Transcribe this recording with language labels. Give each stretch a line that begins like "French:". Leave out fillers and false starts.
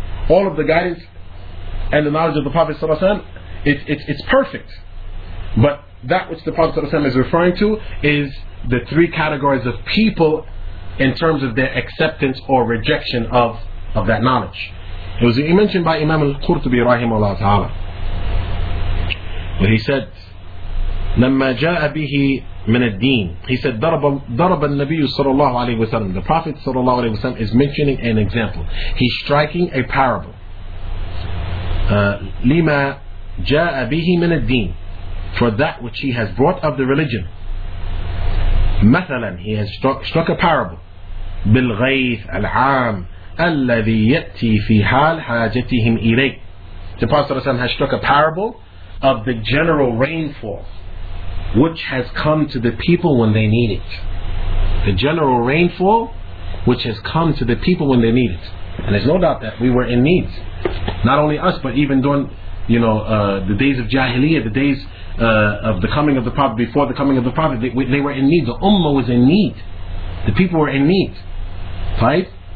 English: All of the guidance and the knowledge of the Prophet ﷺ, it's perfect. But that which the Prophet ﷺ is referring to is the three categories of people in terms of their acceptance or rejection of that knowledge. It was mentioned by Imam al-Qurtubi rahimahullah ta'ala. He said,
Arabic: لما جاء به من الدين,
English: he said,
Arabic: ضرب النبي صلى الله عليه وسلم,
English: the Prophet صلى الله عليه وسلم is mentioning an example. He's striking a parable.
Arabic: لما جاء به من الدين,
English: for that which he has brought of the religion. مثلا, he has struck a parable.
Arabic: بالغيث العام الذي يأتي في حال حاجتهم إليه.
English: The Prophet has struck a parable of the general rainfall which has come to the people when they need it. The general rainfall which has come to the people when they need it. And there's no doubt that we were in need. Not only us, but even during, you know, the days of Jahiliyyah, the days of the coming of the Prophet, before the coming of the Prophet, they were in need. The Ummah was in need. The people were in need. Right?